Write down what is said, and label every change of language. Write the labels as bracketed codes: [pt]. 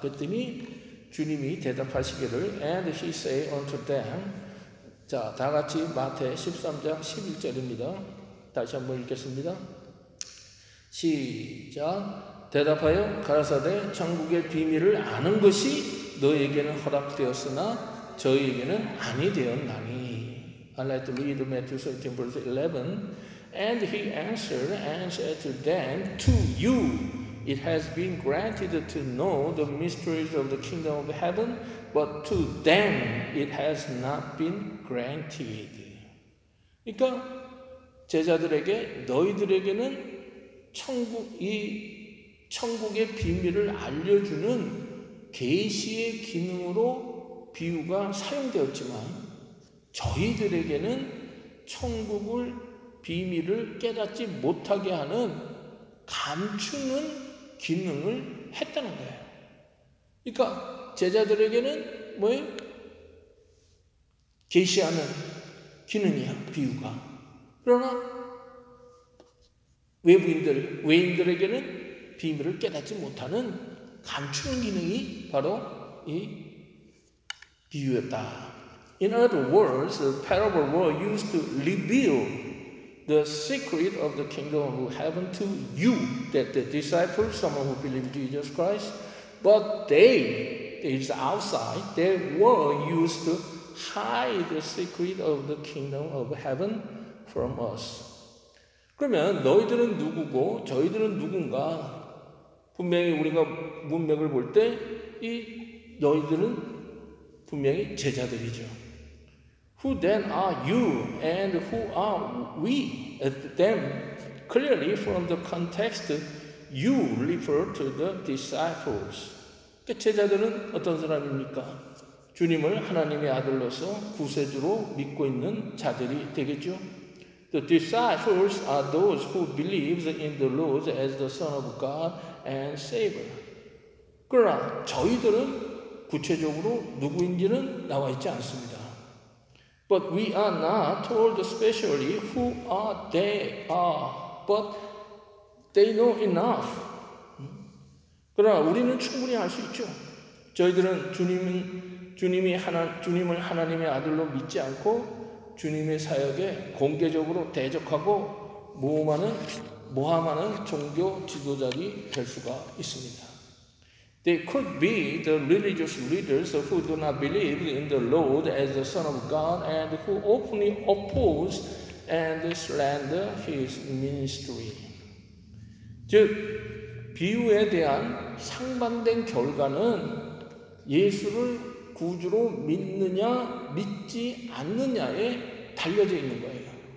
[ko] 그랬더니 주님이 대답하시기를 [en] And he say unto them, [ko] 자, 다 같이 마태 13장 11절입니다. 다시 한번 읽겠습니다. 시작. 대답하여 가라사대 천국의 비밀을 아는 것이 너에게는 허락되었으나 저희에게는 아니 되었나니. [en] I like to read Matthew 13 verse 11. And he answered and said to them, To you it has been granted to know the mysteries of the kingdom of heaven, but to them it has not been granted. [ko] 그러니까 제자들에게 너희들에게는 천국의 비밀을 알려주는 계시의 기능으로 비유가 사용되었지만 저희들에게는 천국을 비밀을 깨닫지 못하게 하는 감추는 기능을 했다는 거예요. 그러니까 제자들에게는 뭐예요? 계시하는 기능이야, 비유가. 그러나 외인들에게는 비밀을 깨닫지 못하는 감추는 기능이 바로 이 비유였다. [en] In other words, the parable were used to reveal the secret of the kingdom of heaven to you, that the disciples, someone who believed Jesus Christ, but they, is outside, they were used to hide the secret of the kingdom of heaven from us. [ko] 그러면 너희들은 누구고 저희들은 누군가 분명히 우리가 문맥을 볼 때 이 너희들은 분명히 제자들이죠. [en] Who then are you and who are we? Them clearly from the context you refer to the disciples. [ko] 그 제자들은 어떤 사람입니까? 주님을 하나님의 아들로서 구세주로 믿고 있는 자들이 되겠죠. [en] The disciples are those who believe in the Lord as the Son of God and Savior. [ko] 그러나 저희들은 구체적으로 누구인지는 나와 있지 않습니다. [en] But we are not told specially who are they are, but they know enough. [ko] 그러나 우리는 충분히 알 수 있죠. 저희들은 주님을 하나님의 아들로 믿지 않고 주님의 사역에 공개적으로 대적하고 모함하는 종교 지도자들이 될 수가 있습니다. [en] They could be the religious leaders who do not believe in the Lord as the Son of God and who openly oppose and slander his ministry. [ko] 즉, 비유에 대한 상반된 결과는 예수를 구주로 믿느냐, 믿지 않느냐에 달려져 있는 거예요.